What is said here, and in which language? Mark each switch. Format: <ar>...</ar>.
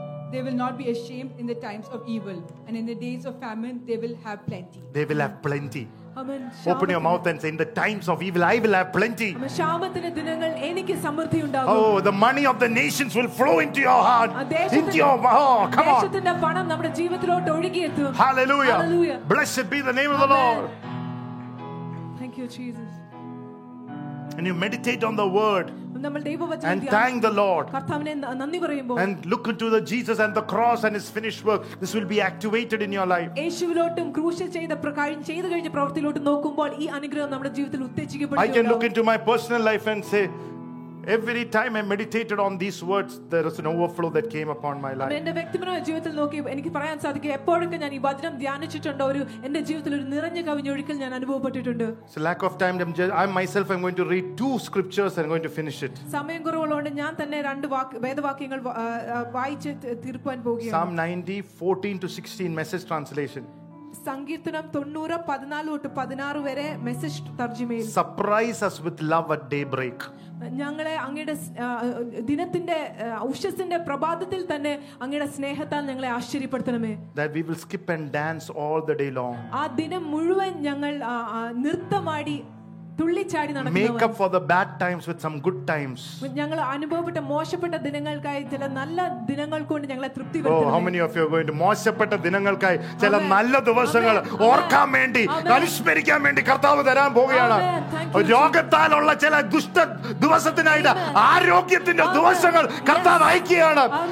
<en>They will not be ashamed in the times of evil, and in the days of famine they will have plenty. They will have plenty. Amen. Open your mouth and say, in the times of evil I will have plenty. Amen.</en> <ml>ശാപത്തിന്റെ ദിനങ്ങൾ എനിക്ക് സമൃദ്ധി ഉണ്ടാകും.</ml> <en>Oh, the money of the nations will flow into your heart. Into your heart. Come on.</en> <ml>ദേശത്തിന്റെ പണം നമ്മുടെ ജീവിതത്തിലോട്ട് ഒഴുകിയെത്തും.</ml> <en>Hallelujah. Hallelujah. Blessed be the name of the Lord. Thank you Jesus. And you meditate on the word and thank the Lord and look into the Jesus and the cross and his finished work. This will be activated in your life.</en> <ml>യേശുവിലോട്ടും ക്രൂശിൽ ചെയ്ത പ്രകാരം ചെയ്തു കഴിഞ്ഞ പ്രവൃത്തിയിലോട്ട് നോക്കുമ്പോൾ ഈ അനുഗ്രഹം നമ്മുടെ ജീവിതത്തിൽ ഉത്തേജിക്കപ്പെടും.</ml> <en>I can look into my personal life and say, every time I meditated on these words, there was an overflow that came upon my life.</en> <ml>എന്റെ വ്യക്തിപരമായ ജീവിതത്തിൽ നോക്കി എനിക്ക് പറയാൻ സാധിക്കും, എപ്പോഴൊക്കെ ഞാൻ ഈ വചനം ധ്യാനിച്ചിട്ടുണ്ട്, ഒരു എന്റെ ജീവിതത്തിൽ ഒരു നിറഞ്ഞ കവിഞ്ഞൊഴുക്കൽ ഞാൻ അനുഭവപ്പെട്ടിട്ടുണ്ട്.</ml> <en>So lack of time, I'm going to read 2 scriptures and I'm going to finish it.</en> <ml>സമയം കുറവുള്ളതുകൊണ്ട് ഞാൻ തന്നെ 2 വേദവാക്യങ്ങൾ വായിച്ച് തീർക്കാൻ പോവുകയാണ്.</ml> <en>Psalm 90:14-16 message translation.</en> <ml>സംഗീതനം 90:14-16 വരെ message തർജ്ജമയിൽ.</ml> <en>Surprise us with love at daybreak.</en> <ml>ഞങ്ങളെ അങ്ങയുടെ ദിനത്തിന്റെ ഉഷസ്സിന്റെ പ്രഭാതത്തിൽ തന്നെ അങ്ങയുടെ സ്നേഹത്താൽ ഞങ്ങളെ ആശ്ചര്യപ്പെടുത്തണമേ.</ml> <en>That we will skip and dance all the day long.</en> <ml>ആ ദിനം മുഴുവൻ ഞങ്ങൾ നൃത്തമാടി തുള്ളിച്ചാടി നടക്കണം.</ml> <en>Make up for the bad times with some good times.</en> <ml>ഞങ്ങൾ അനുഭവപ്പെട്ട മോശപ്പെട്ട ദിനങ്ങൾക്കായി ചില നല്ല ദിനങ്ങൾ കൊണ്ട് ഞങ്ങളെ തൃപ്തിപ്പെടുത്തണം.</ml> <en>How many of you are going to</en> <ml>മോശപ്പെട്ട ദിനങ്ങൾക്കായി ചില നല്ല ദിവസങ്ങൾ ഓർക്കാൻ വേണ്ടി അനുസ്മരിക്കാൻ വേണ്ടി കർത്താവ് തരാൻ പോവുകയാണ്. രോഗത്താലുള്ള ചില ദുഷ്ട ദിവസത്തിനായിട്ട് ആരോഗ്യത്തിന്റെ ദിവസങ്ങൾ കർത്താവ് അയക്കുകയാണ്.</ml>